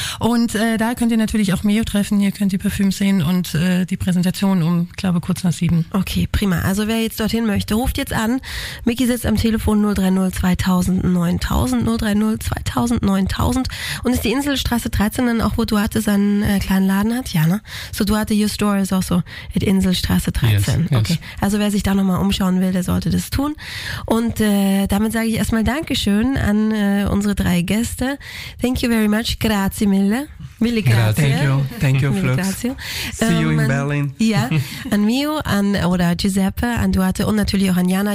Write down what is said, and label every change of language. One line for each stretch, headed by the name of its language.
German: Und da könnt ihr natürlich auch Meo treffen, ihr könnt die Parfüms sehen und die Präsentation um, glaube, kurz nach 7. Okay, prima. Also wer jetzt dorthin möchte, ruft jetzt an. Micky sitzt am Telefon 030 2000 9000 030 2000 9000 und ist die Inselstraße 13 dann auch, wo Duarte seinen kleinen Laden hat? Ja, ne?
English: So Duarte, your store is also at Inselstraße 13. Yes, yes. Okay.
German: Also wer sich da nochmal umschauen will, der sollte das tun. Und damit sage ich erstmal Dankeschön an unsere drei Gäste.
English: Thank you very much.
Italian: Grazie mille. Mille grazie.
English: Thank you, Flux. See you in Berlin.
German: Ja, an Mio, an oder Giuseppe, an Duarte und natürlich auch an Jana.